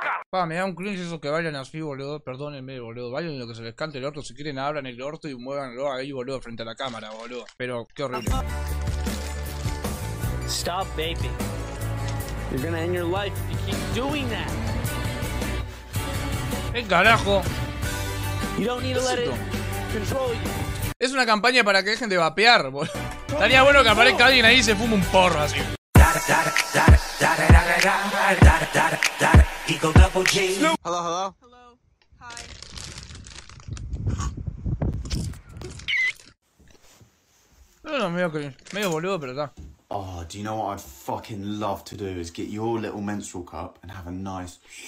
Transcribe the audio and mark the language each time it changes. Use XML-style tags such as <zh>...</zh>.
<es>Pa, me da un cringe eso que vayan así, boludo. Perdónenme, boludo. Vayan lo que se les cante el orto. Si quieren, abran el orto y muévanlo ahí, boludo, frente a la cámara, boludo. Pero qué horrible.</es> <en>Stop vaping. You're gonna end your life if you keep doing that.</en> <es>¡Eh, carajo!</es> <en>You don't need to let it control you.</en> <es>Es una campaña para que dejen de vapear, boludo. Estaría bueno que aparezca alguien ahí y se fume un porro así.</es> <en>Hello, hello. Hello. Hi.</en> <es>No, medio cringe, medio boludo, pero está.</es> <en>Oh, do you know what I'd fucking love to do is get your little menstrual cup and have a nice</en>